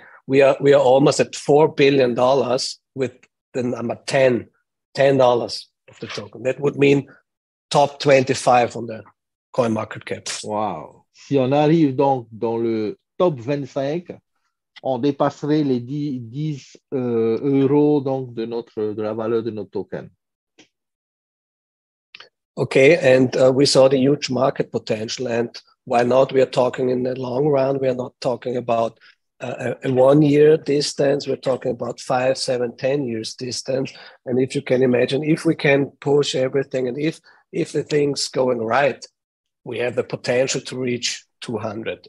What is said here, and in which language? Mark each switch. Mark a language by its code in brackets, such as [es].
[en] we are almost at $4 billion with the number 10, $10 of the token. That would mean top 25 on the coin market cap. Wow. [fr] Si on arrive donc dans le top 25, on dépasserait les 10 euros donc de notre de la valeur de notre token. [en] Okay, and we saw the huge market potential, and why not? We are talking in the long run. We are not talking about a 1 year distance. We're talking about 5, 7, 10 years distance. And if you can imagine, if we can push everything, and if the thing's going right, we have the potential to reach 200.